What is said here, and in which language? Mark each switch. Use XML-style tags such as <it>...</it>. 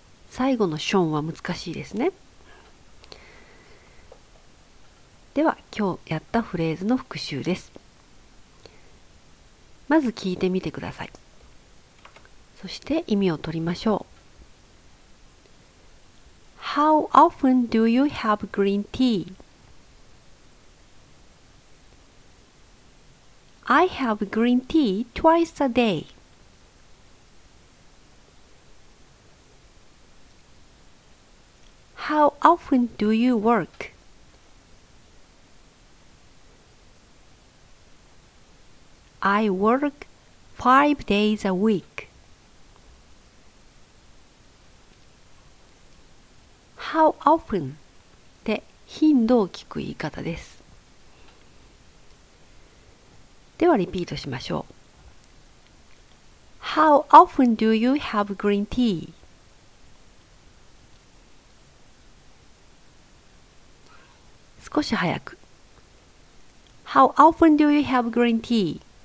<ja>最後のショーンは難しいですね。では今日やったフレーズの復習です。まず聞いてみてください。そして意味を取りましょう。</ja> <en>How often do you have green tea? I have green tea twice a day. How often do you work? I work 5 days a week. How often?</en> <ja>で、頻度を聞く言い方です。では、リピートしましょう。</ja> <en>How often do you have green tea? How often do you have green tea?</en>